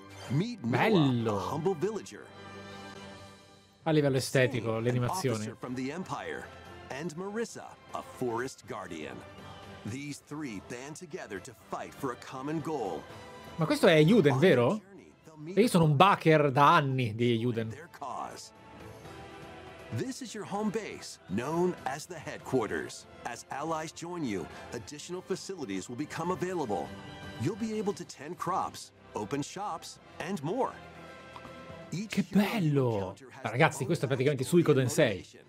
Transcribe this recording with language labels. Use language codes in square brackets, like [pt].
[en] Meet Noah, a humble villager. [it] A livello estetico, le animazioni. [en] An officer from the empire, and Marissa, a forest guardian. These three band together to fight for a common goal. [it] Ma questo è Yuden, vero? E io sono un backer da anni di Yuden. [en] This is your home base, known as the headquarters. As allies join you, additional facilities will become available. You'll be able to tend crops, open shops, and more. Each [it] che bello! Ragazzi, questo è praticamente Suikoden 6.